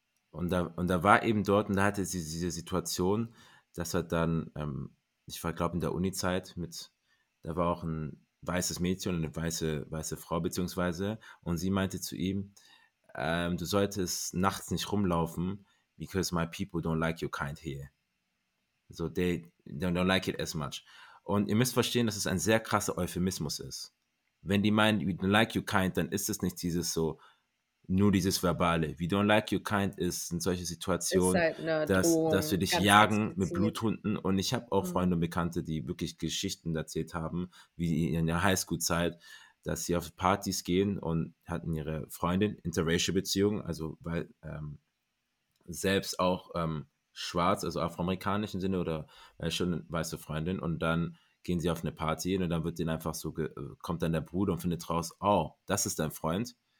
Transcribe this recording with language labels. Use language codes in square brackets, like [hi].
[de] Und da war eben dort, und da hatte sie diese Situation, dass er dann, ich war glaube in der Unizeit mit, da war auch ein weißes Mädchen und eine weiße Frau beziehungsweise, und sie meinte zu ihm, du solltest nachts nicht rumlaufen, [en] because my people don't like your kind here. So, they don't like it as much. [de] Und ihr müsst verstehen, dass es ein sehr krasser Euphemismus ist. Wenn die meinen, [en] we don't like your kind, [de] dann ist es nicht dieses so, nur dieses Verbale. [en] We don't like your kind [de] ist in solche Situationen, halt dass wir dich jagen mit Bluthunden. Und ich habe auch Freunde und Bekannte, die wirklich Geschichten erzählt haben, wie in der Highschool-Zeit, dass sie auf Partys gehen und hatten ihre Freundin, interracial Beziehung, also weil selbst auch schwarz, also afroamerikanischen Sinne oder schon weiße Freundin, und dann gehen sie auf eine Party hin, und dann wird denen einfach so, kommt dann der Bruder und findet raus, oh, das ist dein Freund.